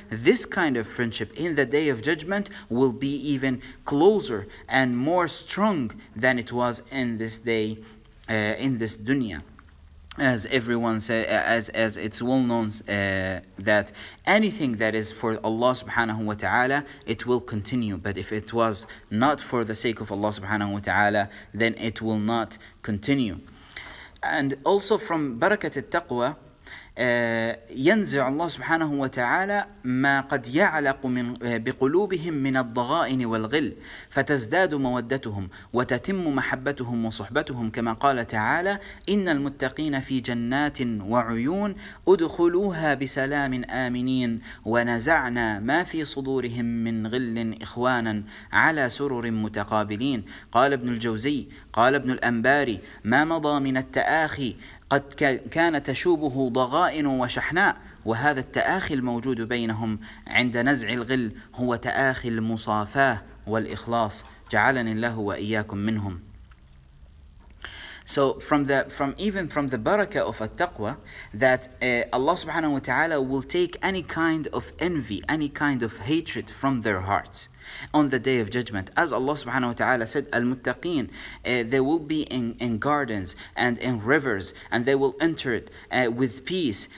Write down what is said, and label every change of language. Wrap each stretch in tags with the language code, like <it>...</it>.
<en>This kind of friendship in the day of judgment will be even closer and more strong than it was in this day, in this dunya. As everyone said, as it's well known, that anything that is for Allah subhanahu wa ta'ala, it will continue. But if it was not for the sake of Allah subhanahu wa ta'ala, then it will not continue. And also from barakat al-taqwa,</en> <ar>ينزع الله سبحانه وتعالى ما قد يعلق من بقلوبهم من الضغائن والغل، فتزداد مودتهم وتتم محبتهم وصحبتهم، كما قال تعالى: إن المتقين في جنات وعيون أدخلوها بسلام آمنين، ونزعنا ما في صدورهم من غل إخوانا على سرر متقابلين. قال ابن الجوزي: قال ابن الأنباري: ما مضى من التآخي قد كان تشوبه ضغائن وشحناء، وهذا التآخي الموجود بينهم عند نزع الغل هو تآخي المصافاة والإخلاص، جعلني الله وإياكم منهم.</ar> <en>So from the baraka of at-taqwa, that Allah subhanahu wa ta'ala will take any kind of envy, any kind of hatred from their hearts on the day of judgment. As Allah subhanahu wa ta'ala said, al-muttaqeen, they will be in gardens and in rivers, and they will enter it with peace.</en>